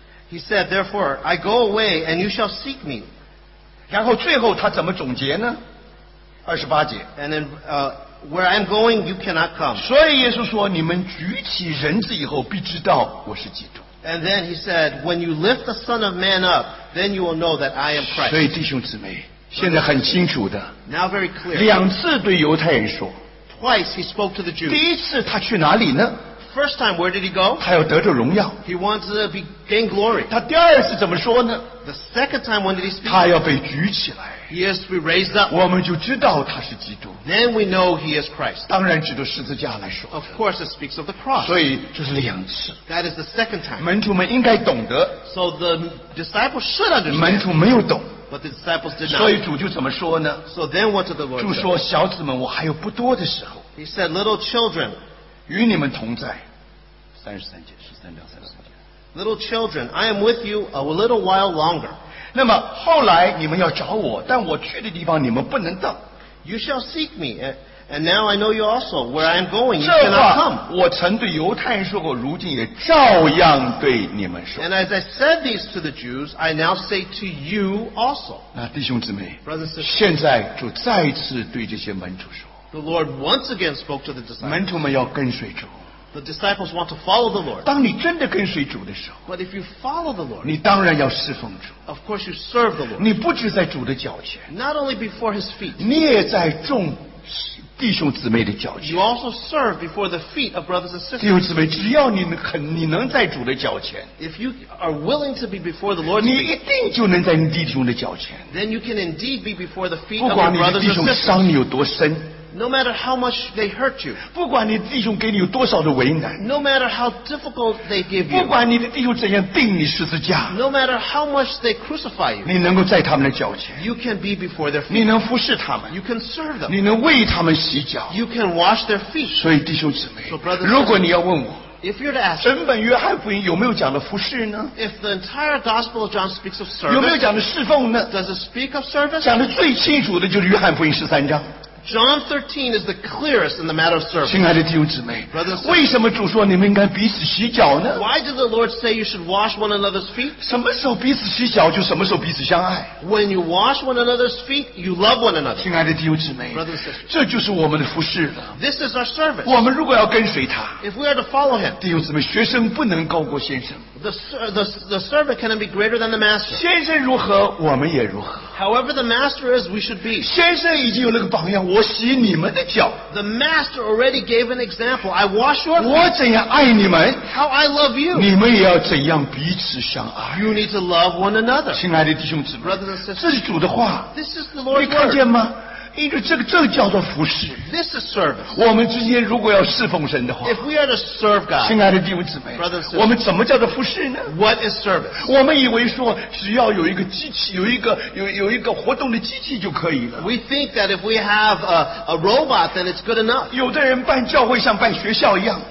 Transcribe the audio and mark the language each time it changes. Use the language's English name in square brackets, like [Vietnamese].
[English] He said, therefore, I go away and you shall seek me. [Chinese] 然后最后他怎么总结呢？二十八节。 [English] And then, where I'm going, you cannot come. [Chinese] 所以耶稣说，你们举起人子以后，必知道我是基督。 [English] And then he said, when you lift the Son of Man up, then you will know that I am Christ. [Chinese] 所以弟兄姊妹，现在很清楚的。 [English] Now very clear. [Chinese] 两次对犹太人说。 [English] Twice he spoke to the Jews. [Chinese] 第一次他去哪里呢？ [English] First time, where did he go? [Chinese] 他要得着荣耀。 [English] He wants to be, gain glory. [Chinese] 他第二次怎么说呢？ [English] The second time, when did he speak? [Chinese] 他要被举起来。 [English] He has to be raised up. [Chinese] 我们就知道他是基督。 [English] Then we know he is Christ. [Chinese] 当然指着十字架来说。 [English] Of course, it speaks of the cross. [Chinese] 所以这是两次。 [English] That is the second time. [Chinese] 门徒们应该懂得。 [English] So the disciples should understand. [Chinese] 门徒没有懂。 [English] But the disciples did not. [Chinese] 所以主就怎么说呢？ [English] So then what did the Lord say? [Chinese] 主说，小子们，我还有不多的时候。 [English] He said, little children. [Chinese] 与你们同在，三十三节，十三章三十三节。 [English] Little children, I am with you a little while longer. [Chinese] 那么后来你们要找我，但我去的地方你们不能到。 [English] You shall seek me, and now I know you also where I am going. You cannot come. [Chinese] 这话我曾对犹太人说过，如今也照样对你们说。 [English] And as I said these to the Jews, I now say to you also. [Chinese] 那弟兄姊妹 [English] Brothers and sisters, [Chinese] 现在就再次对这些门徒说。 [English] The Lord once again spoke to the disciples. [Chinese] 门徒们要跟随主。 [English] The disciples want to follow the Lord. [Chinese] 当你真的跟随主的时候。 [English] But if you follow the Lord. [Chinese] 你当然要侍奉主。 [English] Of course you serve the Lord. [Chinese] 你不只在主的脚前。 [English] Not only before his feet. [Chinese] 你也在众弟兄姊妹的脚前。 [English] You also serve before the feet of brothers and sisters. [Chinese] 弟兄姊妹，只要你能在主的脚前。 [English] If you are willing to be before the Lord's [Chinese] feet. 你一定就能在你弟兄的脚前。 [English] Then you can indeed be before the feet of your brothers and sisters. [Chinese] 不管你的弟兄伤你有多深。 [English] No matter how much they hurt you. [Chinese] 不管你的弟兄给你有多少的为难。 [English] No matter how difficult they give you. [Chinese] 不管你的弟兄怎样钉你十字架。 [English] No matter how much they crucify you. [Chinese] 你能够在他们的脚前。 [English] You can be before their feet. [Chinese] 你能服侍他们。 [English] You can serve them. [Chinese] 你能为他们洗脚。 [English] You can wash their feet. [Chinese] 所以弟兄姊妹。 [English] So brothers, [Chinese] 如果你要问我。 [English] If you're to ask. [Chinese] 整本约翰福音有没有讲的服侍呢？ [English] If the entire gospel of John speaks of service. [Chinese] 有没有讲的侍奉呢？ [English] Does it speak of service? [Chinese] 讲的最清楚的就是约翰福音十三章。 [English] John 13 is the clearest in the matter of service. [Chinese] 亲爱的弟兄姊妹 [English] Brothers, [Chinese] 为什么主说你们应该彼此洗脚呢？ [English] Why did the Lord say you should wash one another's feet? [Chinese] 什么时候彼此洗脚就什么时候彼此相爱。 [English] When you wash one another's feet, you love one another. [Chinese] 亲爱的弟兄姊妹 [English] Brothers and sisters, [Chinese] 这就是我们的服侍了。 [English] This is our service. [Chinese] 我们如果要跟随他 [English] If we are to follow him. [Chinese] 弟兄姊妹学生不能高过先生。 [English] The servant cannot be greater than the master. [Chinese] 先生如何我们也如何。 [English] However the master is, we should be. [Chinese] 先生已经有那个榜样我洗你们的脚。 [English] The master already gave an example. I wash your feet. [Chinese] 我怎样爱你们。 [English] How I love you. [Chinese] 你们也要怎样彼此相爱。 [English] You need to love one another. [Chinese] 亲爱的弟兄姊妹。 [English] Brothers and sisters. [Chinese] 这是主的话。 [English] This is the Lord's word. [Chinese] 你看见吗？因为这个叫做服侍。 [English] This is service. [Chinese] 我们之间如果要侍奉神的话。 [English] If we are to serve God. [Chinese] 亲爱的弟兄姊妹。 [English] Brothers and sisters. [Chinese] 我们怎么叫做服侍呢？ [English] What is service? [Chinese] 我们以为说只要有一个机器，有一个活动的机器就可以了。 [English] We think that if we have a robot, then it's good enough. [Chinese] 有的人办教会像办学校一样。